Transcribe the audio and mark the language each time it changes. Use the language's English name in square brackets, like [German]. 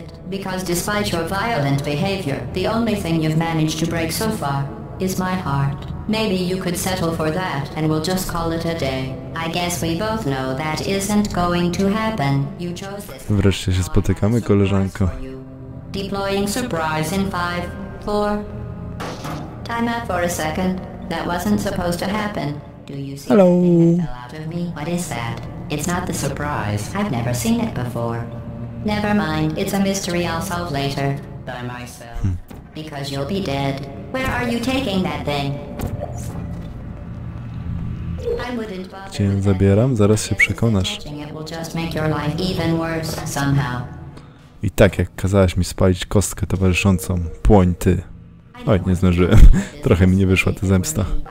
[English] Because despite your violent behavior, the only thing you've managed to break so far is my heart. Maybe you could settle for that and we'll just call it a day. I guess we both know that isn't going to happen. You chose this. [Polish] Wreszcie się spotykamy, koleżanko. [English] Deploying surprise in 5, 4. Time out for a second. That wasn't supposed to happen. Do you see anything that fell out of me? What is that? It's not the surprise. I've never seen it before. Never mind, it's a mystery I'll solve later. By myself. Because you'll be dead. Where are you taking that thing? I wouldn't bother. [Polish] Gdzie ją zabieram? Zaraz się przekonasz. [English] It will just make your life even worse somehow. [Polish] I tak, jak kazałaś mi spalić kostkę towarzyszącą. Płoń ty. Oj, nie zdążyłem. Trochę mi nie wyszła ta zemsta.